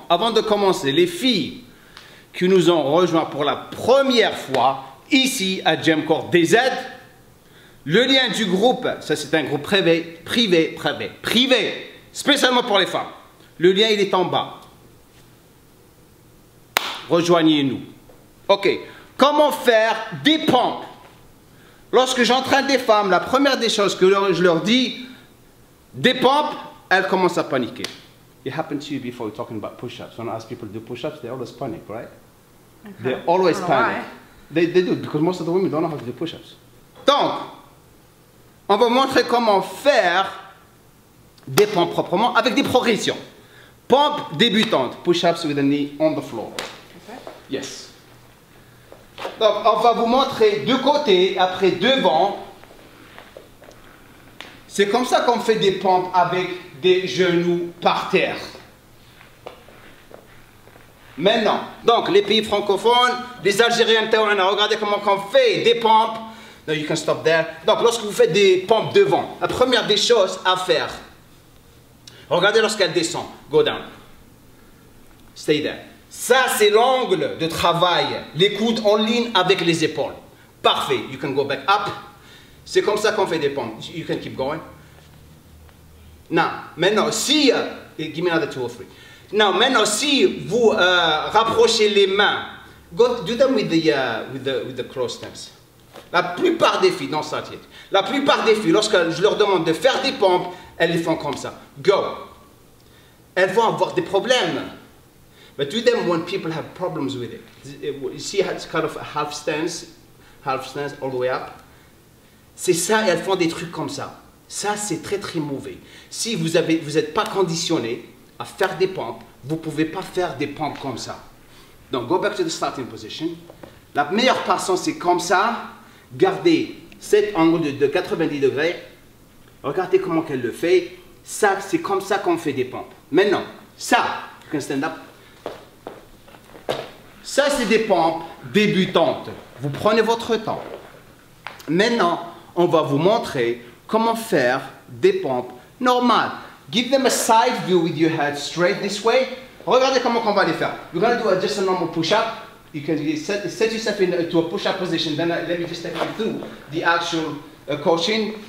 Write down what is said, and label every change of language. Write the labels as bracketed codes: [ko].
[fr] Avant de commencer, les filles qui nous ont rejoint pour la première fois ici à Gymcore DZ, le lien du groupe, ça c'est un groupe privé, spécialement pour les femmes. Le lien il est en bas. Rejoignez-nous. Ok, comment faire des pompes? Lorsque j'entraîne des femmes, la première des choses que je leur dis, des pompes, elles commencent à paniquer. [en] It happened to you before we're talking about push-ups. When I ask people to do push-ups, they always panic, right? Okay. They always panic. Why? They do, because most of the women don't know how to do push-ups. [fr] Donc, on va montrer comment faire des pompes proprement avec des progressions. Pompe débutante. [en] Push-ups with the knee on the floor. Okay. Yes. [fr] Donc, on va vous montrer de côté, après devant. C'est comme ça qu'on fait des pompes avec des genoux par terre. Maintenant, donc les pays francophones, les Algériens, regardez comment on fait des pompes. [en] No, you can stop there. [fr] Donc, lorsque vous faites des pompes devant, la première des choses à faire, regardez lorsqu'elle descend. [en] Go down. Stay there. [fr] Ça, c'est l'angle de travail. Les coudes en ligne avec les épaules. Parfait. [en] You can go back up. [fr] C'est comme ça qu'on fait des pompes. [en] You can keep going. Now, [fr] maintenant, si... [en] Give me another two or three. Now, [fr] maintenant, si vous rapprochez les mains, [en] go, do them with the closed hands. [fr] La plupart des filles, dans cette tête, la plupart des filles, lorsque je leur demande de faire des pompes, elles les font comme ça. [en] Go. [fr] Elles vont avoir des problèmes. [en] But do them when people have problems with it. You see, it's kind of a half stance all the way up. [fr] C'est ça, elles font des trucs comme ça. Ça, c'est très, très mauvais. Si vous avez, vous n'êtes pas conditionné à faire des pompes, vous ne pouvez pas faire des pompes comme ça. Donc, [en] go back to the starting position. [fr] La meilleure façon, c'est comme ça. Gardez cet angle de 90 degrés. Regardez comment elle le fait. Ça, c'est comme ça qu'on fait des pompes. Maintenant, ça, [en] you can stand up. [fr] Ça, c'est des pompes débutantes. Vous prenez votre temps. Maintenant, on va vous montrer comment faire des pompes normales. [en] Give them a side view with your head straight this way. [fr] Regardez comment on va les faire. [en] We're going to do just a normal push-up. You can set yourself into a push-up position. Then let me just take you through the actual coaching.